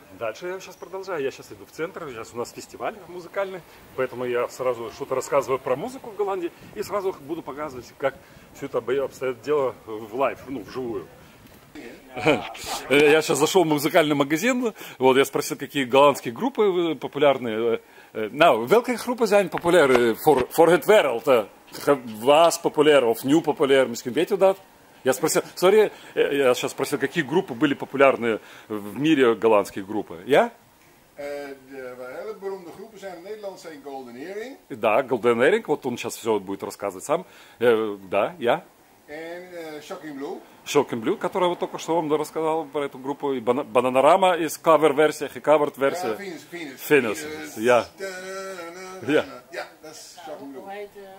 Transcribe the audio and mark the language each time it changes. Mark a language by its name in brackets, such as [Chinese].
[Russian] Дальше я сейчас продолжаю, я сейчас иду в центр, сейчас у нас фестиваль музыкальный, поэтому я сразу что-то рассказываю про музыку в Голландии, и сразу буду показывать, как все это обстоит дело в лайв, ну, вживую. Я сейчас зашел в музыкальный магазин, вот, я спросил, какие голландские группы популярны. [Dutch] Now, welke groepen zijn populair voor het wereld? Was populair of nieuw populair, misschien weet u dat? [Russian] Я спросил, sorry, я сейчас спросил, какие группы были популярны в мире голландские группы, я? [Dutch] Hele beroemde groepen zijn in Nederland zijn Golden Earring. [Russian] Да, Golden Earring, вот он сейчас все будет рассказывать сам. Да, я. [Dutch] En Shocking Blue. [Russian] Shocking Blue, которая вот только что вам рассказал про эту группу, и Бананарама из кавер-версия, и кавер-версия. Да, Финес. Я. Да, Финес. Да, это Shocking Blue.